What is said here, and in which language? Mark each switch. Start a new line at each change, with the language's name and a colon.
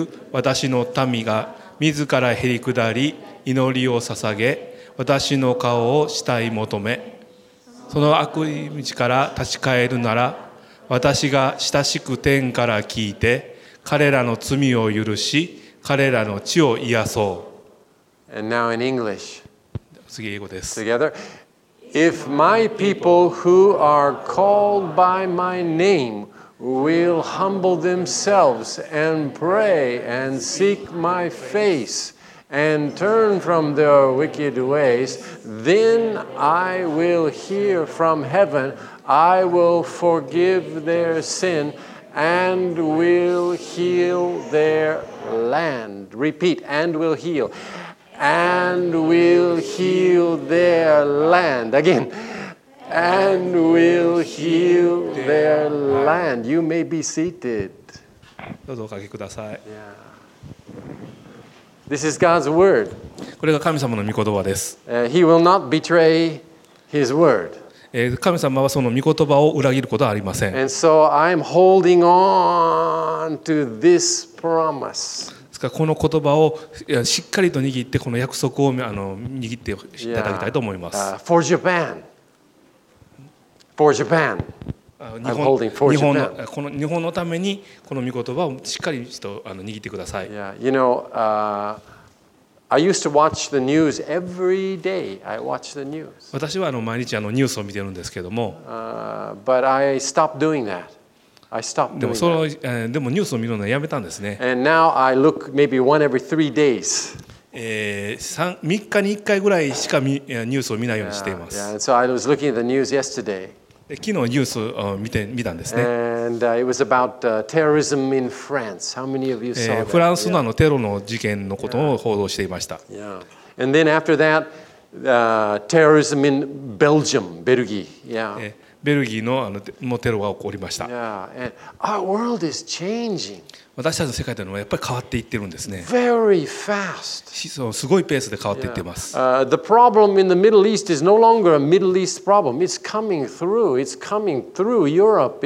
Japanese: 私の民が自らへり下り祈りを捧げ、私の顔を慕い求め、その悪い道から立ち返るなら。私が親しく天から聞いて彼らの罪を許し彼らの地を癒そう。
English: And now in English.
Japanese: 次英語です。
English: Together. If my people who are called by my name will humble themselves and pray and seek my face and turn from their wicked ways, then I will hear from heavenI will forgive their sin and will heal their land. Repeat, and will heal. And will heal their land. Again. And will heal their land. You may be seated.
Japanese: どうぞおかけください。
English: This is God's word.
Japanese: これが神様の御言葉です。
English: He will not betray his word.
Japanese: 神様はその御言葉を裏切ることはありません。
English: And so I'm holding on to this promise.
Japanese: この言葉をしっかりと握ってこの約束を握っていただきたいと思います。
English: Yeah. For Japan. For Japan.
Japanese: 日本のためにこの御言葉をしっかりと握ってください。
English: Yeah. You know, I used to watch the news every day. I watched the news.
Japanese: 私は毎日ニュースを見てるんですけども。
English: But I stopped doing that. I stopped doing that.
Japanese: でもニュースを見るのはやめたんですね。
English: And now I look maybe one every three days.
Japanese: 3日に1回ぐらいしかニュースを見ないようにしています。
English: So I was looking at the news yesterday.
Japanese: 昨日ニュースを見たんですね。
English: And it was about terrorism in France. How many of you saw that?
Japanese: フランスのテロの事件のことを報道していました。
English: Yeah. And then after that, terrorism in Belgium, Belgium. Yeah.
Japanese: ベルギーのテロが起こりました。
English: Yeah. Our world is changing.
Japanese: 私たちの世界というのはやっぱり変わっていってるんですね。
English: Very fast.
Japanese: すごいペースで変わっていってます。
English: The problem in the Middle East is no longer a Middle East problem. It's coming through. It's coming through Europe.